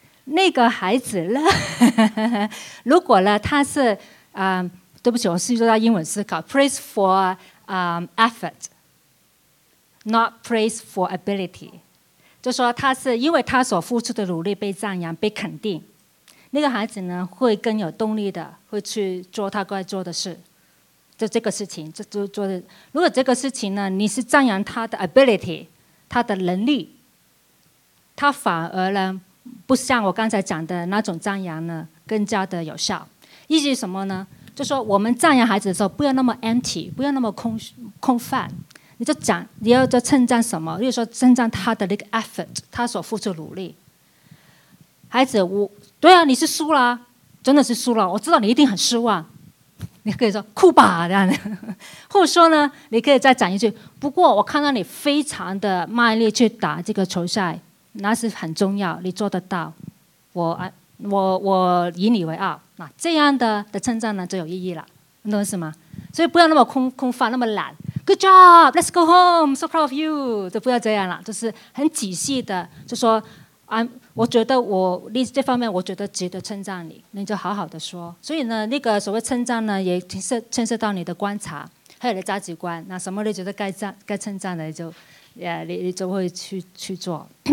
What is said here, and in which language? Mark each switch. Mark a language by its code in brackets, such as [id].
[zh] 那个孩子呢如果呢他是对不起，我是说到英文思考 [en] praise for effort， not praised for ability. [zh] 就说他是因为他所付出的努力被赞扬、被肯定，那个孩子呢会更有动力的，会去做他该做的事。就这个事情，就做的。如果这个事情呢，你是赞扬他的 ability， 他的能力，他反而呢不像我刚才讲的那种赞扬呢更加的有效。意思是什么呢？就说我们赞扬孩子的时候，不要那么 empty， 不要那么空泛。你就讲，你要就称赞什么？例如说称赞他的那个 effort， 他所付出努力。孩子，我对啊，你是输了，真的是输了。我知道你一定很失望。你可以说哭吧这样的，或者说呢，你可以再讲一句。不过我看到你非常的卖力去打这个球赛，那是很重要，你做得到，我以你为傲。那这样的称赞呢就有意义了，你懂什么？所以不要那么空泛，那么懒。 [en] Good job, let's go home, so proud of you. [zh] 就不要这样了，就是很仔细的，就说啊，我觉得我这方面我觉得值得称赞你，你就好好的说。所以呢，那个所谓称赞呢，也牵涉到你的观察，还有你的价值观。那什么你觉得该称赞的，你就会去做。